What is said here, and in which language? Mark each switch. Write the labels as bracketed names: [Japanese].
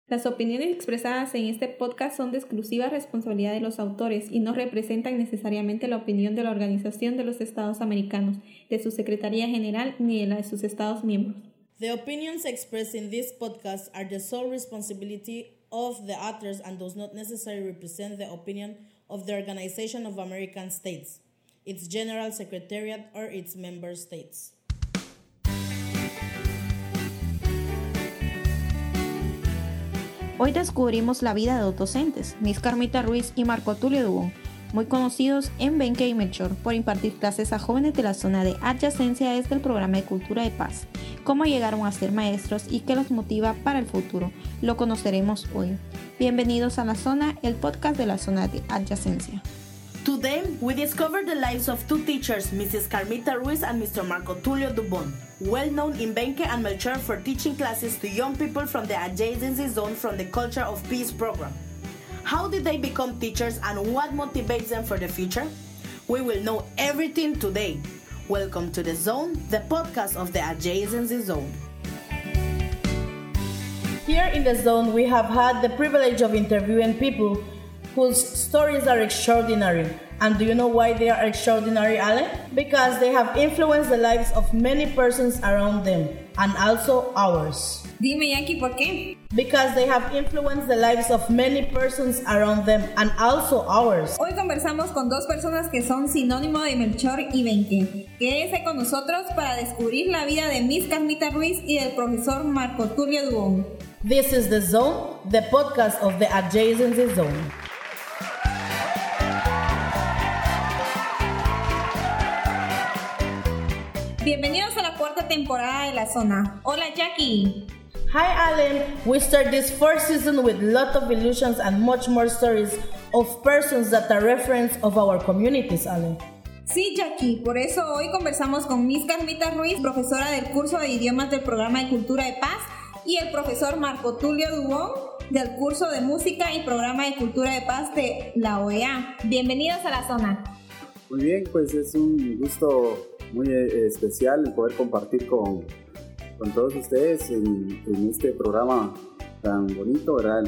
[Spanish] Las opiniones expresadas en este podcast son de exclusiva responsabilidad de los autores y no representan necesariamente la opinión de la Organización de los Estados Americanos, de su Secretaría General ni de la de sus Estados miembros. [English] The opinions expressed in this podcast are the sole responsibility of the authors and does not necessarily represent the opinion of the Organization of American States, its General Secretariat, or its member states. [Spanish] Hoy descubrimos la vida de dos docentes, Miss Carmita Ruiz y Marco Tulio Dubón, muy conocidos en Benke y Melchor por impartir clases a jóvenes de la zona de adyacencia desde el programa de Cultura de Paz, cómo llegaron a ser maestros y qué los motiva para el futuro. Lo conoceremos hoy. Bienvenidos a La Zona, el podcast de la zona de adyacencia. [English] Today, we discover the lives of two teachers, Mrs. Carmita Ruiz and Mr. Marco Tulio Dubón, well known in Benke and Melchor for teaching classes to young people from the adjacency zone from the Culture of Peace program. How did they become teachers and what motivates them for the future? We will know everything today. Welcome to The Zone, the podcast of the adjacency zone. Here in The Zone, we have had the privilege of interviewing people whose stories are extraordinary. And do you know why they are extraordinary, Ale? Because they have influenced the lives of many persons around them, and also ours. [Spanish] Dime, Yankee, ¿por qué? [English] Because they have influenced the lives of many persons around them, and also ours. [Spanish] Hoy conversamos con dos personas que son sinónimo de Melchor y Benke. Quédense con nosotros para descubrir la vida de Miss Carmita Ruiz y del profesor Marco Tulio Dubón. [English] This is The Zone, the podcast of the adjacency zone. [Spanish] Bienvenidos a la cuarta temporada de La Zona. Hola, Jackie. [English] Hi, Alan. We start this fourth season with a lot of illusions and much more stories of persons that are reference of our communities, Alan. [Spanish] Sí, Jackie. Por eso hoy conversamos con Miss Carmita Ruiz, profesora del curso de idiomas del programa de Cultura de Paz, y el profesor Marco Tulio Dubón, del curso de música y programa de Cultura de Paz de la OEA. Bienvenidos a La Zona. Muy bien, pues es un gusto muy especial poder compartir con todos ustedes en este programa tan bonito, ¿verdad?